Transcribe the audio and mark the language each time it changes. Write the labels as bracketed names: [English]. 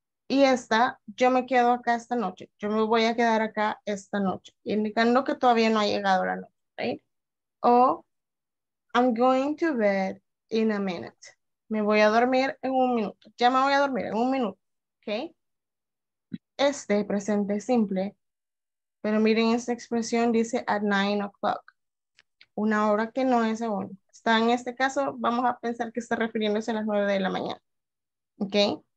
[Spanish] Y esta, yo me quedo acá esta noche. Yo me voy a quedar acá esta noche. Indicando que todavía no ha llegado la noche. [English] Right? O, I'm going to bed in a minute. [Spanish] Me voy a dormir en un minuto. Ya me voy a dormir en un minuto. Okay. Este presente simple, pero miren esta expresión, dice [English] at 9 o'clock. [Spanish] Una hora que no es aún. Está en este caso, vamos a pensar que está refiriéndose a las 9 de la mañana. ¿Ok?